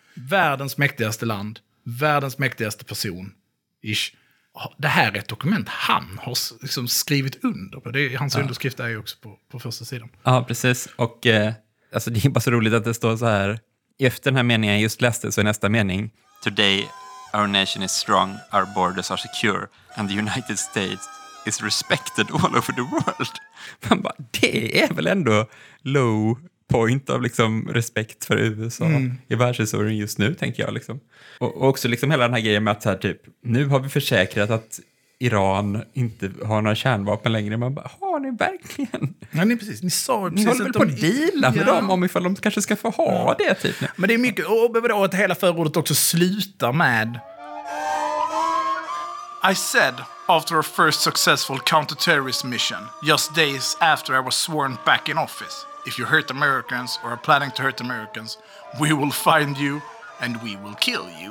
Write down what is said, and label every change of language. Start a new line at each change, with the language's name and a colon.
Swedish: Världens mäktigaste land, världens mäktigaste person. Ish. Det här är ett dokument han har liksom skrivit under på. Hans ja. Underskrift är ju också på första sidan. Ja, precis. Och alltså det är bara så roligt att det står så här. Efter den här meningen jag just läste så är nästa mening:
English: Today our nation is strong, our borders are secure, and the United States is respected all over the world.
Swedish: Man bara, det är väl ändå
English: low point
Swedish: av liksom respekt för USA i världshistorien just nu, tänker jag. Liksom. Och också liksom hela den här grejen med att så här, typ, nu har vi försäkrat att Iran inte har några kärnvapen längre. Man bara, har ni verkligen? Ja, nej, precis. Ni sa precis. Ni håller väl på att deala med dem om ifall de kanske ska få ha det, typ. Men det är mycket, och att hela förordet också slutar med:
English: I said, after our first successful counter-terrorist mission, just days after I was sworn back in office, if you hurt Americans or are planning to hurt Americans, we will find you and we will kill you.